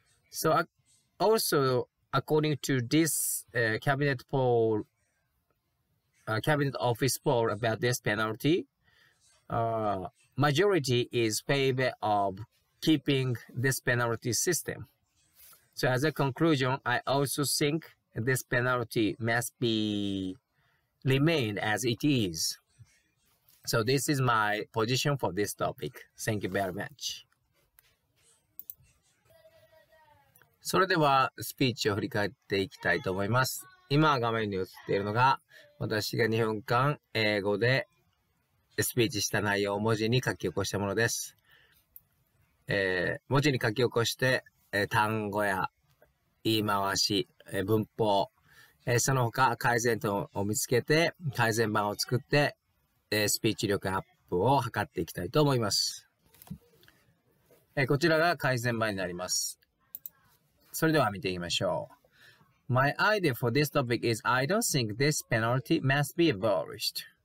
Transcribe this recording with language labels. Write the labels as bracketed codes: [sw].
[en] So also,According to this cabinet poll, cabinet office poll about this penalty, majority is favor of keeping this penalty system. So as a conclusion, I also think this penalty must be remained as it is. So this is my position for this topic. Thank you very much. [ja] それではスピーチを振り返っていきたいと思います。今画面に映っているのが私が2分間英語でスピーチした内容を文字に書き起こしたものです。文字に書き起こして、単語や言い回し、文法、その他改善点を見つけて改善版を作って、スピーチ力アップを図っていきたいと思います。こちらが改善版になります。それでは見ていきましょう。 [en] My idea for this topic is I don't think this penalty must be abolished.